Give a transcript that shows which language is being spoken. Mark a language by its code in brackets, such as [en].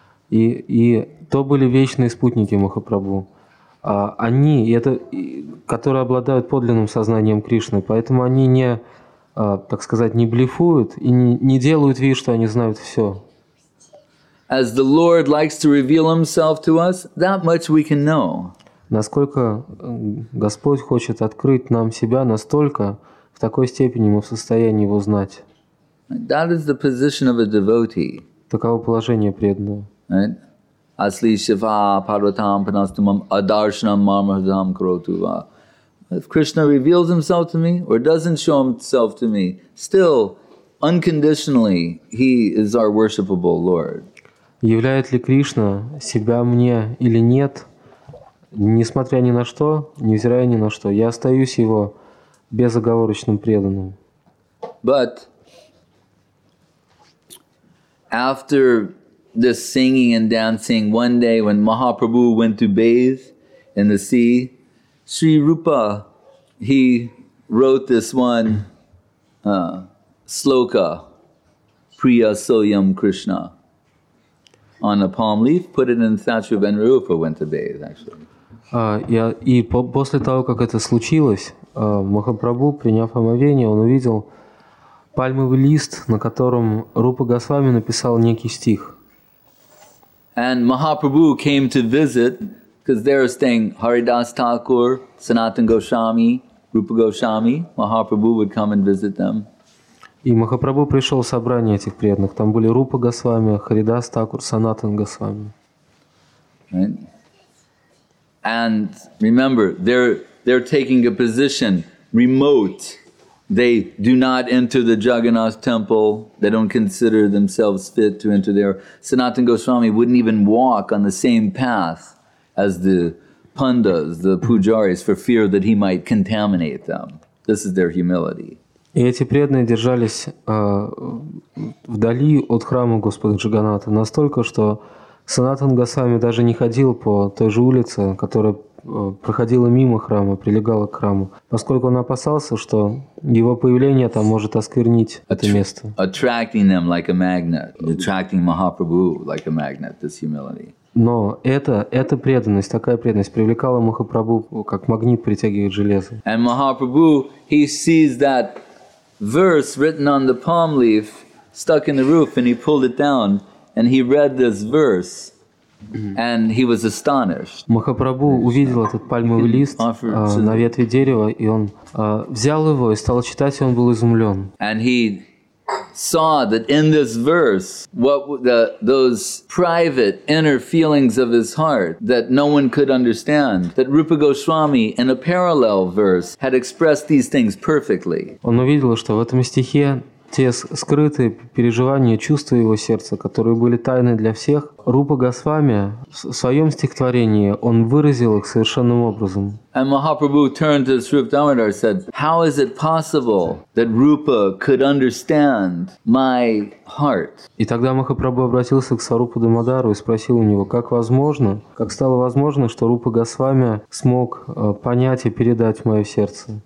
[ru] И то были вечные спутники Махапрабху. Они, которые обладают подлинным сознанием Кришны, поэтому они не, так сказать, не блефуют и не делают вид, что они знают все. [en] As the Lord likes to reveal Himself to us, that much we can know. [ru] Насколько Господь хочет открыть нам себя, настолько в такой степени мы в состоянии его знать. [en] That is the position of a devotee. [ru] Таково положение преданного. Asli shiva parvatam panastumam adarshanam marmadam krotuva. [en] If Krishna reveals Himself to me or doesn't show Himself to me, still, unconditionally, He is our worshipable Lord. [ru] Являет ли Кришна себя мне или нет, несмотря ни на что, невзирая ни на что, я остаюсь Его безоговорочным преданным. [en] But after the singing and dancing, one day when Mahaprabhu went to bathe in the sea, Sri Rupa, he wrote this one sloka, Priya Soyam Krishna, on a palm leaf, put it in the statue of Anurupa, went to bathe, actually. [ru] После того, как это случилось, Махапрабху, приняв омовение, он увидел пальмовый лист, на котором Рупа Госвами написал некий стих. [en] And Mahaprabhu came to visit, because there are staying Haridas Thakur, Sanatan Goswami, Rupa Goswami. Mahaprabhu would come and visit them. [ru] И Махапрабху пришел в собрание этих преданных. Там были Рупа Госвами, Харидас Такур, Санатан Госвами. [en] And remember, they're taking a position remote. They do not enter the Jagannath temple. They don't consider themselves fit to enter there. Sanatan Goswami wouldn't even walk on the same path as the pandas, the pujaris, for fear that he might contaminate them. This is their humility. [ru] И эти преданные держались вдали от храма Господа Джаганната настолько, что Санатан Госвами даже не ходил по той же улице, которая проходила мимо храма, прилегала к храму, поскольку он опасался, что его появление там может осквернить это место. [en] Attracting them like a magnet, attracting Mahaprabhu like a magnet, this humility. [ru] Но эта преданность, такая преданность привлекала Махапрабху, как магнит притягивает железо. [en] And Mahaprabhu, he sees that verse written on the palm leaf stuck in the roof, and he pulled it down and he read this verse and he was astonished. [ru] Махапрабху увидел этот пальмовый лист на ветви дерева, и он взял его и стал читать, и он был изумлен. [en] And he saw that in this verse what those private inner feelings of his heart that no one could understand, that Rupa Goswami in a parallel verse had expressed these things perfectly. [ru] Он увидел, что в этом стихе те скрытые переживания, чувства его сердца, которые были тайны для всех, Рупа Госвами в своем стихотворении он выразил их совершенным образом. [en] And Mahaprabhu turned to Srupa Damodar and said, how is it possible that Rupa could understand my heart? [ru] И тогда Махапрабху обратился к Сварупа Дамодару и спросил у него, как стало возможно, что Рупа Госвами смог понять и передать мое сердце?